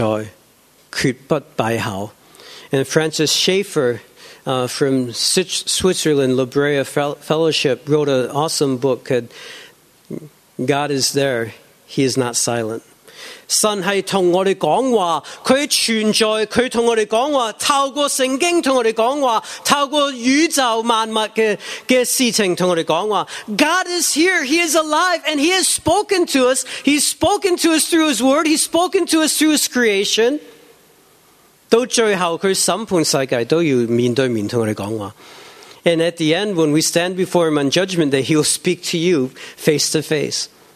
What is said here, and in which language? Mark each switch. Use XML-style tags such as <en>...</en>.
<zh>之前有位神学家在瑞士，他写一本书很有意思，他说神存在，绝不闭口。</zh> <en>And Francis Schaeffer from Switzerland, La Brea Fellowship, wrote an awesome book called God is There, He is Not Silent.</en> <zh>神是跟我们说话，祂存在，祂跟我们说话，透过圣经跟我们说话，透过宇宙万物的事情跟我们说话。</zh> <en>God is here, he is alive, and he has spoken to us. He's spoken to us through his word, he's spoken to us through his creation.</en> <zh>到最后，祂审判世界，都要面对面跟我们说话。</zh> <en>And at the end, when we stand before him on judgment day, he'll speak to you face to face.</en>